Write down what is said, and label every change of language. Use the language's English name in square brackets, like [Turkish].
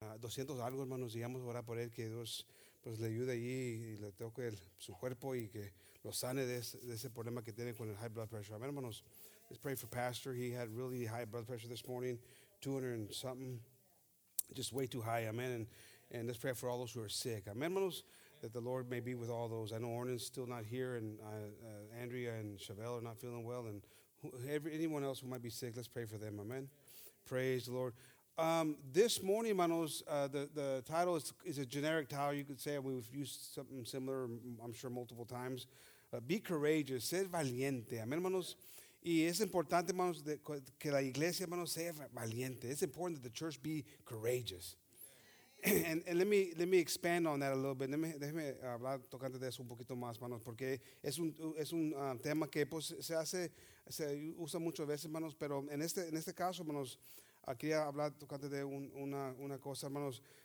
[Spanish] 200 algo, hermanos, y vamos a orar por él, que Dios pues le ayude allí y le toque su cuerpo y que lo sane de ese problema que tiene con el high blood pressure. Amén, hermanos. [English] Let's pray for Pastor. He had really high blood pressure this morning, 200 and something, just way too high. Amén. And let's pray for all those who are sick. [Spanish] Amén, hermanos, [English] that the Lord may be with all those. I know Ornan's still not here, and Andrea and Chevelle are not feeling well, and anyone else who might be sick, let's pray for them. Amén. Praise the Lord. This morning, manos, the title is a generic title, you could say. We've used something similar, I'm sure, multiple times. Be courageous, [Spanish] ser valiente, [English] amen, manos. [Spanish] Y es importante, manos, que la iglesia, manos, sea valiente. [English] It's important that the church be courageous. And let me expand on that a little bit. [Spanish] Déjeme hablar tocante de eso un poquito más, manos, porque es un tema que pues se usa muchas veces, manos. Pero en este caso, manos. Quería hablar tocante de una cosa, hermanos.